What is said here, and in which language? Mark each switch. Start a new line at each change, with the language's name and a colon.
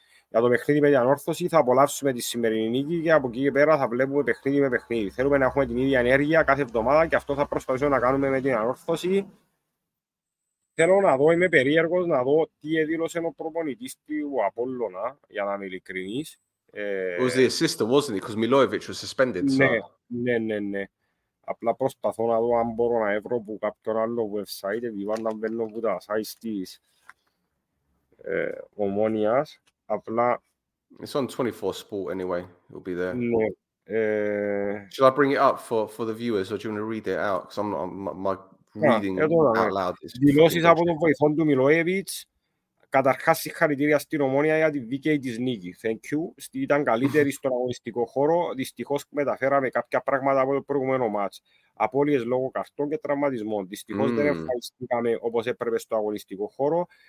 Greek: Για το παιχνίδι με την ανόρθωση, θα απολαύσουμε τη σημερινή νίκη και από εκεί και πέρα θα βλέπουμε παιχνίδι με παιχνίδι. Θέλουμε να έχουμε την ίδια ενέργεια κάθε εβδομάδα και αυτό θα προσπαθήσουμε να κάνουμε με την ανόρθωση. Θέλω να δω, είμαι περίεργος να δω τι έδειλωσε ο προπονητής του Απόλλωνα, για να είμαι ειλικρινής.
English: It was the assistant, wasn't it? Because Milojevic was suspended.
Greek: Ναι. Απλά προσπαθώ να δω αν μπορώ να έβρω από κάποιον άλλο website, επειδή να μπαίνω από τα site της Ομόνοιας. Απλά...
English: It's on 24 Sport anyway. It'll be there.
Greek: Ναι.
English: Should I bring it up for the viewers, or do you want to read it out? Because I'm not... My... Reading out loud.
Greek: Δηλώσεις από τον βοηθόν του Μιλόεβιτς. Καταρχάς, συγχαρητήρια στην Ομόνοια για τη δίκαιη της νίκη.
English: Thank you.
Greek: Ήταν καλύτερη στον αγωνιστικό χώρο. Δυστυχώς μεταφέραμε κάποια πράγματα από το προηγούμενο μάτς. Απόλυες λόγω καυτών και τραυματισμών. Δυστυχώς δεν εμφανιστήκαμε όπως έπρεπε στο αγωνιστικό χώρο.